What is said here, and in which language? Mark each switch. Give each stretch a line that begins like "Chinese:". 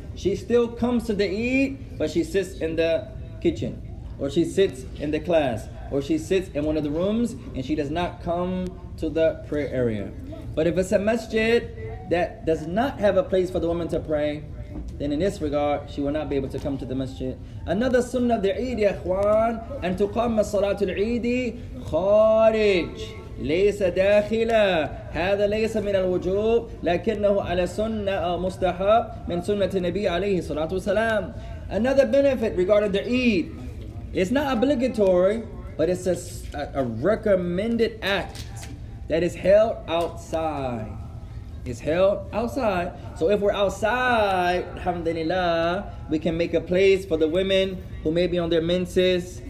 English: She still comes to the Eid, but she sits in the kitchen, or she sits in the class, or she sits in one of the rooms, and she does not come to the prayer area. But if it's a masjid that does not have a place for the woman to pray, then in this regard, she will not be able to come to the masjid. Another sunnah of the Eid, ya ikhwan,
Arabic: أن تقام الصلاة العيد خارج ليس داخلا هذا ليس من الوجوب لكنه على سنة مستحب من سنة النبي عليه الصلاة والسلام.
English: Another benefit regarding the Eid, it's not obligatory, but it's a recommended act that is held outside. It's held outside. So if we're outside, alhamdulillah, we can make a place for the women who may be on their menses.